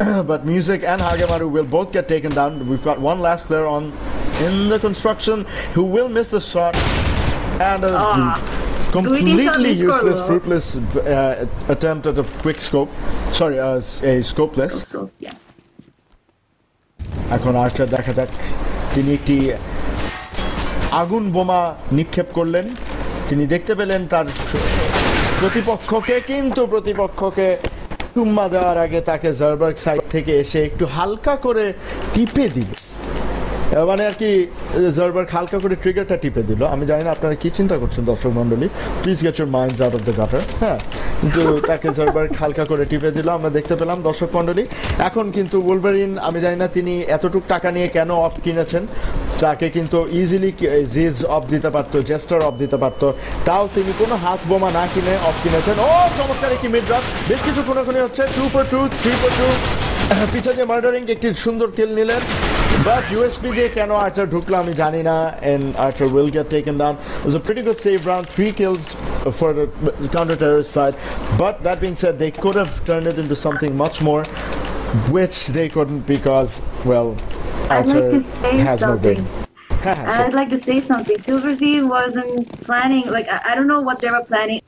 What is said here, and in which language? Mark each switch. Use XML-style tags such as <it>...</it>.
<en>But Music and Hagemaru will both get taken down. We've got one last player on in the construction who will miss a shot, and a completely useless, fruitless attempt at a quick scope. Sorry, a scopeless.</en> <bn>এখন আর্চার দেখা যাক, তিনি একটি আগুন বোমা নিক্ষেপ করলেন, তিনি দেখতে পেলেন তার প্রতিপক্ষকে, কিন্তু প্রতিপক্ষকে টুম্মা দেওয়ার আগে তাকে জারবার্গ সাইড থেকে এসে একটু হালকা করে টিপে দিল, মানে আর কি জারবার্গ হালকা করে ট্রিগারটা টিপে দিল। আমি জানি না আপনারা কী চিন্তা করছেন দর্শক মণ্ডলী,</bn> <en>Please get your minds out of the gutter.</en> <bn>হ্যাঁ, কিন্তু তাকে জারবার্গ হালকা করে টিপে দিল, আমরা দেখতে পেলাম দর্শক মণ্ডলী। এখন কিন্তু উলভারিন, আমি জানি না তিনি এতটুক টাকা নিয়ে কেন অফ কিনেছেন, তাকে কিন্তু ইজিলি জিজ অফ দিতে পারতো, জেস্টার অফ দিতে পারতো, তাও তিনি কোনো হাত বোমা না কিনে অফ কিনেছেন। ও চমৎকার একটি মিড ড্রপ, বেশ কিছু খুনাখুনি হচ্ছে, 2-2, 3-2, পিছনে দিয়ে মার্ডারিং একটি সুন্দর কিল নিলেন, but USP diye keno archer dhuklo ami jani na,</bn> <en>and archer will get taken down. It was a pretty good save round, 3 kills for the counter terrorist side, but that being said, they could have turned it into something much more, which they couldn't because, well, archer has no brain. I'd like to say something. Silver Z wasn't planning, like, I don't know what they were planning.</en>